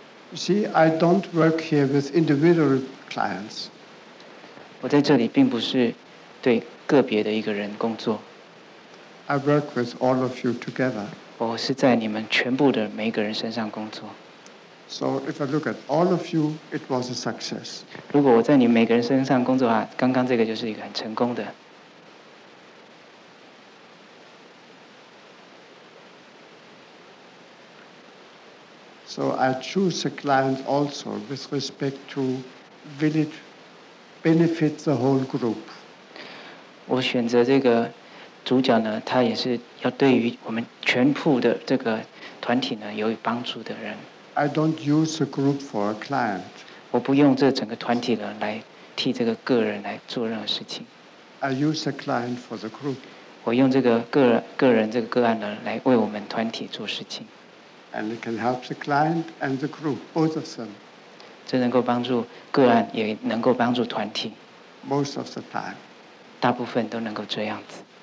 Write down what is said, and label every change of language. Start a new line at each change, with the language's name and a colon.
English: You see, I don't work here with individual clients.
Chinese: 我在这里并不是对个别的一个人工作。
English: I work with all of you together.
Chinese: 我是在你们全部的每一个人身上工作。
English: So if I look at all of you, it was a success.
Chinese: 如果我在你每个人身上工作的话，刚刚这个就是一个很成功的。
English: So I choose a client also with respect to will it benefit the whole group.
Chinese: 我选择这个主角呢，他也是要对于我们全部的这个团体呢有帮助的人。
English: I don't use a group for a client.
Chinese: 我不用这整个团体呢来替这个个人来做任何事情。
English: I use a client for the group.
Chinese: 我用这个个人这个个案呢来为我们团体做事情。
English: And it can help the client and the group, both of them.
Chinese: 这能够帮助个案，也能够帮助团体。
English: Most of the time.
Chinese: 大部分都能够这样子。